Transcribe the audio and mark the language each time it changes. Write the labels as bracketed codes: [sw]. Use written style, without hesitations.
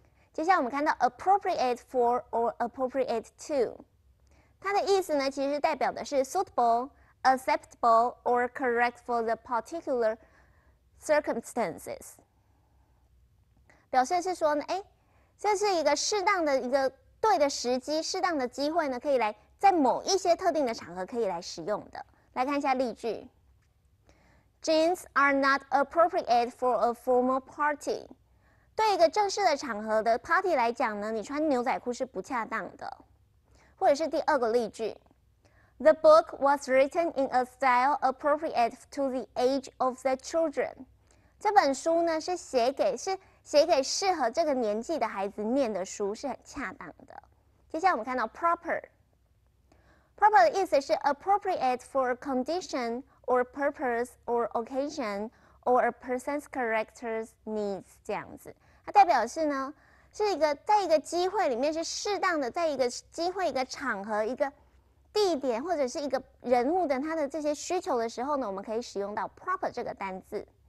[zh] 接下来我们看到 appropriate for or appropriate to， 它的意思呢，其实代表的是 [en] suitable, acceptable or correct for the particular circumstances， [zh] 表示是说呢，哎，这是一个适当的一个对的时机，适当的机会呢，可以来在某一些特定的场合可以来使用的。来看一下例句 [en] ，Jeans are not appropriate for a formal party。 [zh] 对一个正式的场合的 party 来讲呢，你穿牛仔裤是不恰当的。或者是第二个例句 [en] ，The book was written in a style appropriate to the age of the children。 [zh] 这本书呢是写给适合这个年纪的孩子念的书，是很恰当的。接下来我们看到 proper 的意思是 [en] appropriate for a condition or purpose or occasion or a person's character's needs [zh] 这样子，它代表是呢，是一个在一个机会里面是适当的，在一个机会、一个场合、一个地点或者是一个人物的他的这些需求的时候呢，我们可以使用到 proper 这个单字。